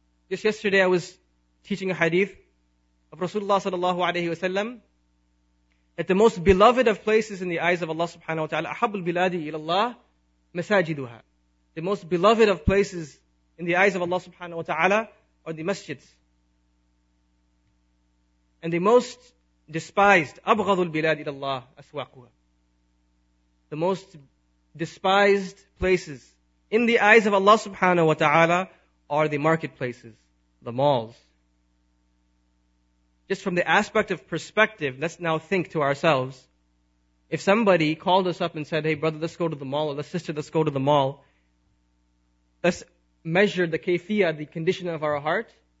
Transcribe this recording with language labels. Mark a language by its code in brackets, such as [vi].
[en] Just yesterday I was teaching a hadith of Rasulullah sallallahu alayhi wa sallam that the most beloved of places in the eyes of Allah subhanahu wa ta'ala, [ar] أَحَبُّ الْبِلَادِ إِلَى اللَّهِ مَسَاجِدُهَا. [en] The most beloved of places in the eyes of Allah subhanahu wa ta'ala are the masjids. And the most despised, [ar] أَبْغَضُ الْبِلَادِ إِلَى اللَّهِ أَسْوَاقُهَا. [en] The most despised places in the eyes of Allah subhanahu wa ta'ala are the marketplaces, the malls. Just from the aspect of perspective, let's now think to ourselves, if somebody called us up and said, hey brother, let's go to the mall, or sister, let's go to the mall, let's measure the kayfiyah, the condition of our heart.